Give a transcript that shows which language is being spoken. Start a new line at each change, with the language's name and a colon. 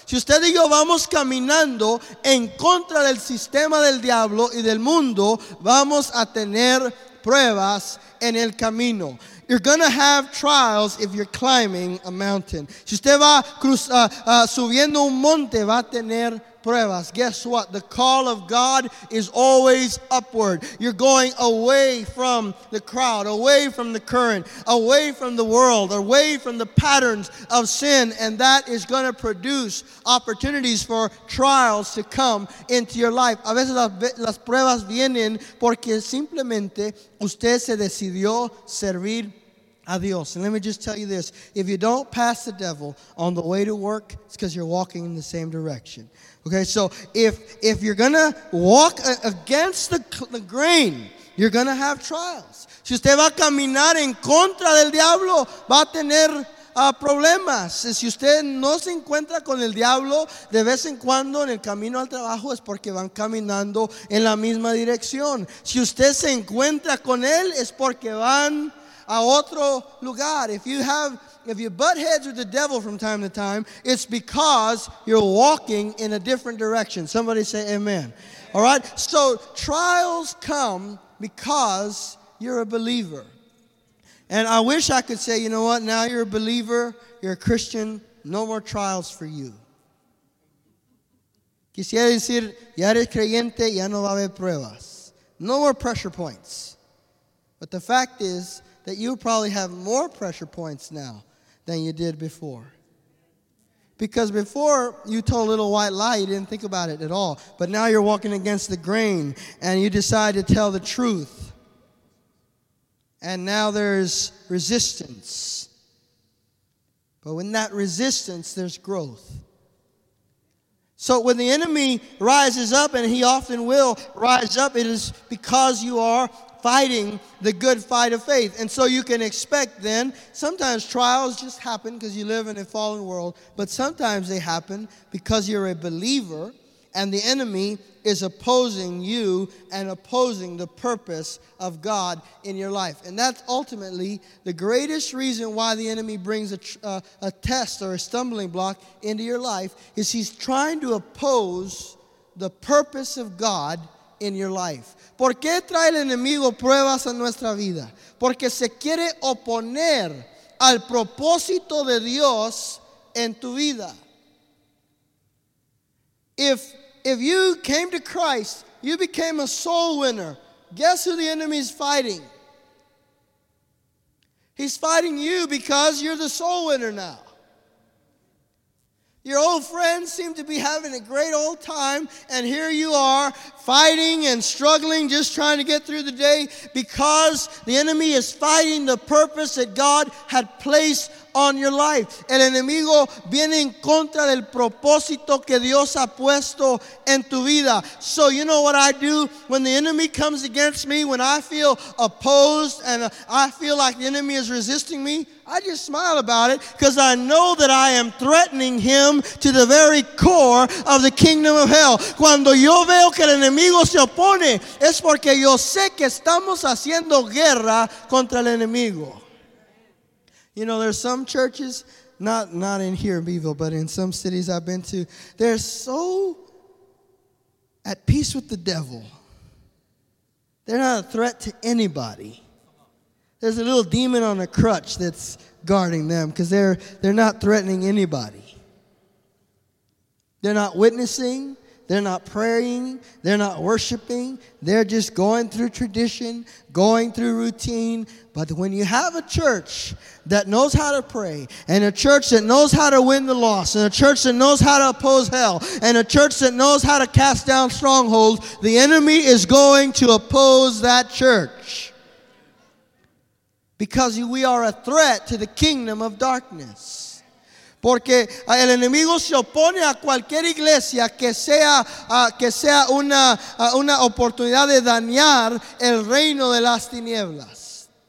Spanish: Si usted y yo vamos caminando en contra del sistema del diablo y del mundo, vamos a tener pruebas en el camino.
English: You're going to have trials if you're climbing a mountain.
Spanish: Si usted va subiendo un monte, va a tener pruebas.
English: Guess what? The call of God is always upward. You're going away from the crowd, away from the current, away from the world, away from the patterns of sin, and that is going to produce opportunities for trials to come into your life.
Spanish: A veces las pruebas vienen porque simplemente usted se decidió servir a Dios.
English: And let me just tell you this. If you don't pass the devil on the way to work, it's because you're walking in the same direction. Okay, so if you're going to walk against the grain, you're going to have trials.
Spanish: Si usted va a caminar en contra del diablo, va a tener problemas. Si usted no se encuentra con el diablo de vez en cuando en el camino al trabajo, es porque van caminando en la misma dirección. Si usted se encuentra con él, es porque van a otro lugar. If you butt heads with the devil from time to time, it's because you're walking in a different direction.
English: Somebody say amen. All right? So trials come because you're a believer. And I wish I could say, you know what? Now you're a believer, you're a Christian, no more trials for you.
Spanish: Quisiera decir, ya eres creyente, ya no va a haber pruebas.
English: No more pressure points. But the fact is that you probably have more pressure points now than you did before. Because before, you told a little white lie, you didn't think about it at all. But now you're walking against the grain, and you decide to tell the truth. And now there's resistance. But when that resistance, there's growth. So when the enemy rises up, and he often will rise up, it is because you are fighting the good fight of faith. And so you can expect then, sometimes trials just happen because you live in a fallen world, but sometimes they happen because you're a believer and the enemy is opposing you and opposing the purpose of God in your life. And that's ultimately the greatest reason why the enemy brings a test or a stumbling block into your life, is he's trying to oppose the purpose of God in your life.
Spanish: ¿Por qué trae el enemigo pruebas a nuestra vida? Porque se quiere oponer al propósito de Dios en tu vida.
English: If you came to Christ, you became a soul winner. Guess who the enemy is fighting? He's fighting you because you're the soul winner now. Your old friends seem to be having a great old time, and here you are fighting and struggling, just trying to get through the day, because the enemy is fighting the purpose that God had placed on your life.
Spanish: El enemigo viene en contra del propósito que Dios ha puesto en tu vida.
English: So you know what I do when the enemy comes against me, when I feel opposed and I feel like the enemy is resisting me? I just smile about it, because I know that I am threatening him to the very core of the kingdom of hell.
Spanish: Cuando yo veo que el enemigo se opone, es porque yo sé que estamos haciendo guerra contra el enemigo.
English: You know, there's some churches, not in here in Beeville, but in some cities I've been to, they're so at peace with the devil. They're not a threat to anybody. There's a little demon on a crutch that's guarding them, because they're not threatening anybody. They're not witnessing. They're not praying. They're not worshiping. They're just going through tradition, going through routine. But when you have a church that knows how to pray, and a church that knows how to win the lost, and a church that knows how to oppose hell, and a church that knows how to cast down strongholds, the enemy is going to oppose that church. Because we are a threat to the kingdom of darkness.
Spanish: Porque el enemigo se opone a cualquier iglesia que sea una oportunidad de dañar el reino de las tinieblas.